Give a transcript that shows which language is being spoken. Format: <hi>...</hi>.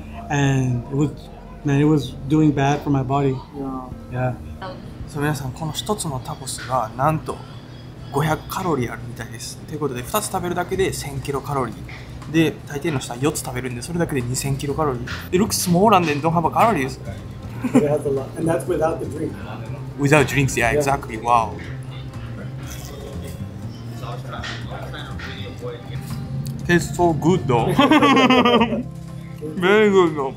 <en>And it was doing bad for my body. Yeah. Yeah.</en> <ja>So, 皆さん、この一つのタコスがなんと500カロリーあるみたいです。ということで、2つ食べるだけで1000キロカロリー。で、大抵の人は4つ食べるんで、それだけで2000キロカロリー。</ja> <en>It looks smaller than don't have a calories. It has a lot. And that's without the drink. Without drinks, yeah, exactly. Wow. Tastes so good though. Very good though.</en>